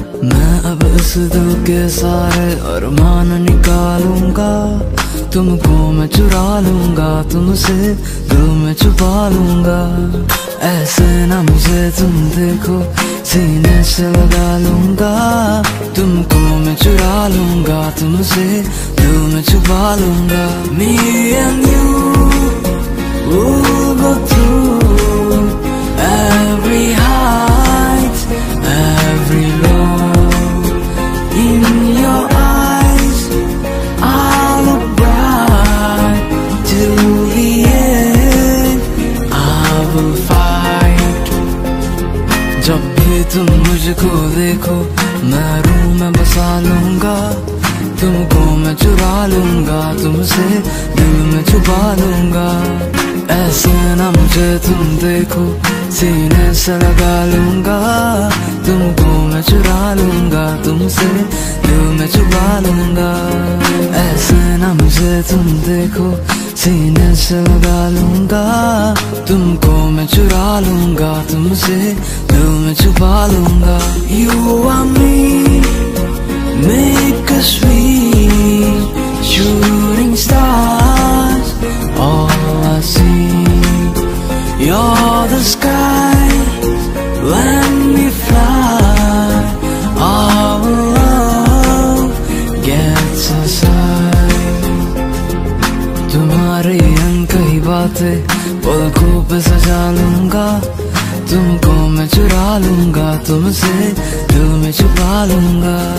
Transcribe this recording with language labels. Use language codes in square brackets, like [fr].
[hi] मैं अब इस दिल के सारे अरमान निकालूंगा, तुमको मैं चुरा लूंगा, तुमसे दिल में छुपा लूंगा। ऐसे ना मुझे तुम देखो सीने से लगा लूंगा, तुमको मैं चुरा लूंगा, तुमसे दिल में छुपा लूंगा। [en] Me and you, we'll go through every height, every low. In your eyes, I'll look bright till the end. I will fight. [hi] जब भी तुम मुझको देखो मैं रूह में बसा लूंगा, तुमको मैं चुरा लूंगा, तुमसे दिल में छुपा लूंगा। ऐसे ना मुझे तुम देखो सीने से लगा लूंगा, तुमको मैं चुरा लूंगा, तुमसे दिल में छुपा लूंगा। ऐसे ना मुझे तुम देखो सीने से लगा लूंगा, तुमको मैं चुरा लूंगा, तुमसे दिल में छुपा लूंगा। [en] You and me, make a sweet shooting stars, all I see. You're the sky, let me fly, our love gets us high. [hi] तुम्हारी अनकही बातें पलकों पे सजा लूंगा, तुमको मैं चुरा लूंगा, तुमसे दिल में छुपा लूंगा।